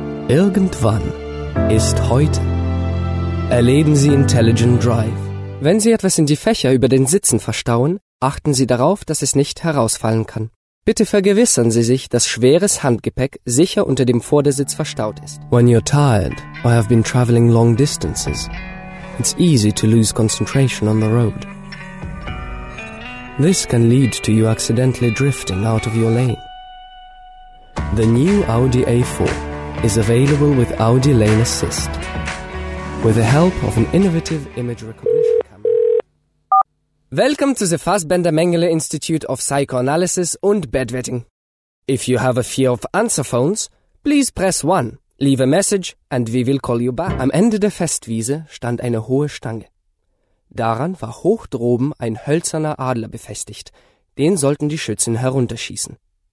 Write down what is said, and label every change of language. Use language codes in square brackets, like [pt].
[de] Irgendwann ist heute. Erleben Sie Intelligent Drive. Wenn Sie etwas in die Fächer über den Sitzen verstauen, achten Sie darauf, dass es nicht herausfallen kann. Bitte vergewissern Sie sich, dass schweres Handgepäck sicher unter dem Vordersitz verstaut ist. [en] When you're tired or have been traveling long distances, it's easy to lose concentration on the road. This can lead to you accidentally drifting out of your lane. The new Audi A4 is available with Audi Lane Assist. With the help of an innovative image recognition camera. Welcome to the Fassbender-Mengele Institute of Psychoanalysis und Bedwetting. If you have a fear of answer phones, please press 1, leave a message and we will call you back. [de] Am Ende der Festwiese stand eine hohe Stange. Daran war hoch droben ein hölzerner Adler befestigt. Den sollten die Schützen herunterschießen.